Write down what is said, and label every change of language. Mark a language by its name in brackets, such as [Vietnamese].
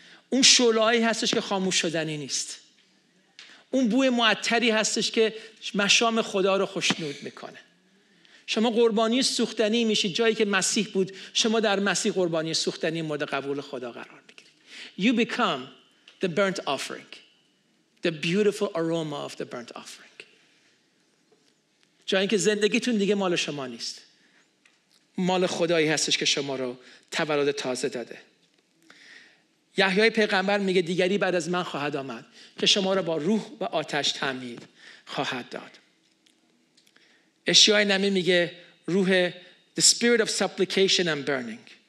[Persian] اون شعله‌ای هستش که خاموش شدنی نیست. اون بوی معطری هستش که مشام خدا رو خوشنود میکنه. شما قربانی سوختنی میشید جایی که مسیح بود. شما در مسیح قربانی سوختنی مورد قبول خدا قرار میگیرید. [English] You become the burnt offering. The beautiful aroma of the burnt offering. [Persian] جایی که زندگیتون دیگه مال شما نیست. مال خدایی هستش که شما رو تولد تازه داده. یحیای پیغمبر میگه دیگری بعد از من خواهد آمد که شما را با روح و آتش تعمید خواهد داد. اشعیای نبی میگه روح [English] the spirit of supplication and burning.